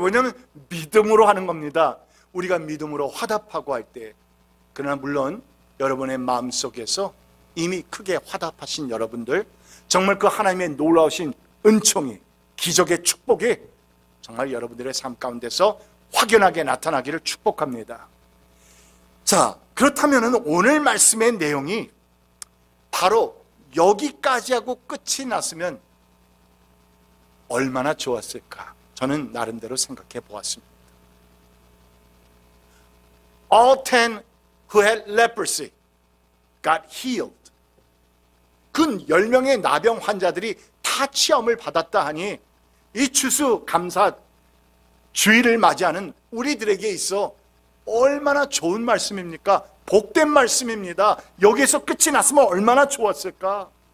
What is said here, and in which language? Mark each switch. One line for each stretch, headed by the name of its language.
Korean: 왜냐하면 믿음으로 하는 겁니다. 우리가 믿음으로 화답하고 할 때 그러나 물론 여러분의 마음속에서 이미 크게 화답하신 여러분들 정말 그 하나님의 놀라우신 은총이 기적의 축복이 정말 여러분들의 삶 가운데서 확연하게 나타나기를 축복합니다. 자, 그렇다면 오늘 말씀의 내용이 바로 여기까지 하고 끝이 났으면 얼마나 좋았을까? 저는 나름대로 생각해 보았습니다.
English: All ten who had leprosy got healed.
Korean: 그 10명의 나병 환자들이 다 치유을 받았다 하니 이 추수 감사 주일을 맞이하는 우리들에게 있어 얼마나 좋은 말씀입니까? 복된 말씀입니다. 여기에서 끝이 났으면 얼마나 좋았을까?